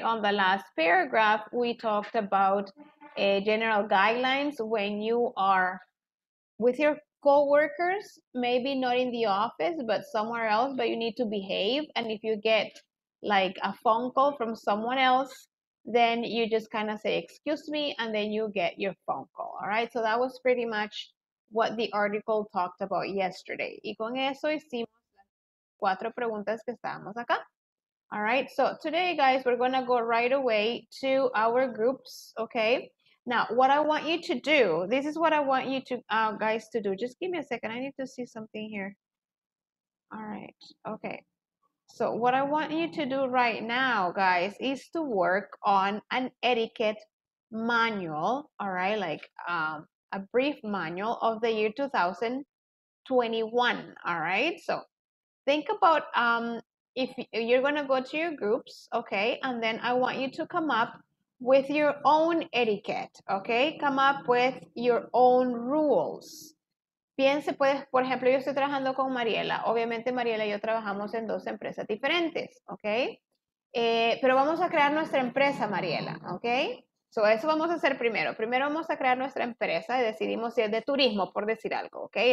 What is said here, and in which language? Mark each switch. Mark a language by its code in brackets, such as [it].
[en] On the last paragraph, we talked about general guidelines when you are with your coworkers, maybe not in the office, but somewhere else, but you need to behave. And if you get like a phone call from someone else, then you just kind of say, excuse me, and then you get your phone call, all right? So that was pretty much what the article talked about yesterday. [es] Y con eso hicimos las cuatro preguntas que estábamos acá. [en] All right, so today, guys, we're going to go right away to our groups, okay? Now, what I want you to do, this is what I want you to guys to do. Just give me a second. I need to see something here. All right, okay. So what I want you to do right now, guys, is to work on an etiquette manual, all right, like a brief manual of the year 2021, all right? So think about if you're going to go to your groups, okay, and then I want you to come up with your own etiquette, okay? Come up with your own rules. [es] Piense, pues, por ejemplo, yo estoy trabajando con Mariela. Obviamente, Mariela y yo trabajamos en dos empresas diferentes, okay? Pero vamos a crear nuestra empresa, Mariela, okay? So, eso vamos a hacer primero. Primero vamos a crear nuestra empresa y decidimos si es de turismo, por decir algo, okay?